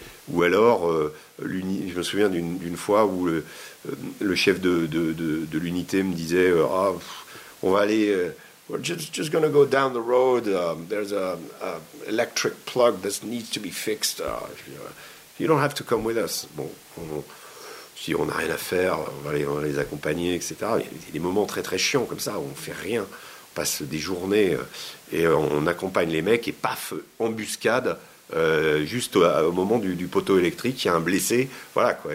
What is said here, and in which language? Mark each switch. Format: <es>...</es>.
<fr>Ou alors, je me souviens d'une fois où le chef de l'unité me disait on va aller...</fr> <en>We're just gonna go down the road. There's a electric plug that needs to be fixed. You don't have to come with us.</en> <fr>Bon, si on n'a rien à faire, on va les accompagner, etc. Il y a des moments très très chiants comme ça où on fait rien, on passe des journées et on accompagne les mecs et paf, embuscade. Juste au moment du poteau électrique, il y a un blessé. Voilà quoi.</fr>